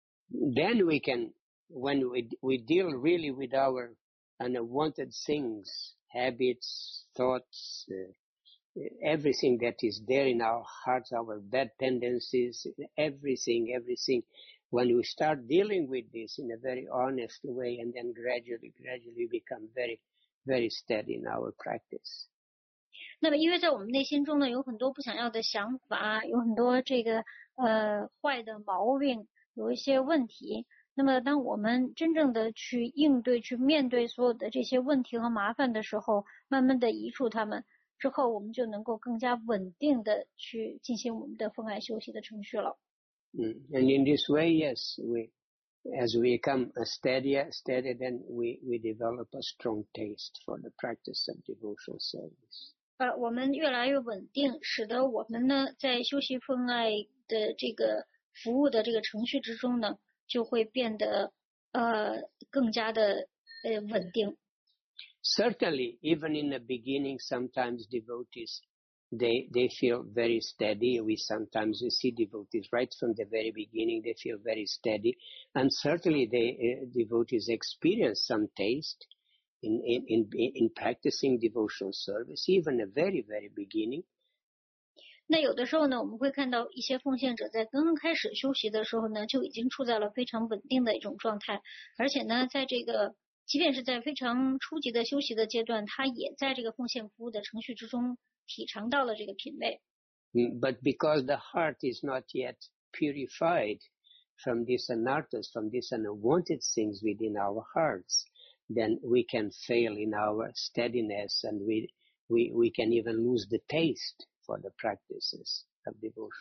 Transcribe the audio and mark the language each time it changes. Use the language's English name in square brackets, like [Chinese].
[English] Then we can, when we deal really with our unwanted things, habits, thoughts, everything that is there in our hearts, our bad tendencies, everything, when we start dealing with this in a very honest way, and then gradually become very, very steady in our practice. [Chinese] 那么因为在我们内心中呢有很多不想要的想法，有很多这个坏的毛病，有一些问题，那么当我们真正的去应对，去面对所有的这些问题和麻烦的时候，慢慢的移除它们之后，我们就能够更加稳定的去进行我们的风爱休息的程序了。 [English] And in this way, yes, as we become steadier, then we develop a strong taste for the practice of devotional service. [Chinese] 我们越来越稳定，使得我们呢在修习奉爱的这个服务的这个程序之中呢，就会变得更加的稳定。 [English] Certainly, even in the beginning, sometimes devotees. They feel very steady. We see devotees right from the very beginning. They feel very steady, and certainly devotees experience some taste in practicing devotional service, even the very very beginning. [Chinese] 那有的时候呢，我们会看到一些奉献者在刚刚开始修习的时候呢，就已经处在了非常稳定的一种状态，而且呢，在这个即便是在非常初级的修习的阶段，他也在这个奉献服务的程序之中。体尝到了这个品味。 [English] But because the heart is not yet purified from these anarthas, from these unwanted things within our hearts, then we can fail in our steadiness, and we can even lose the taste for the practices of devotion.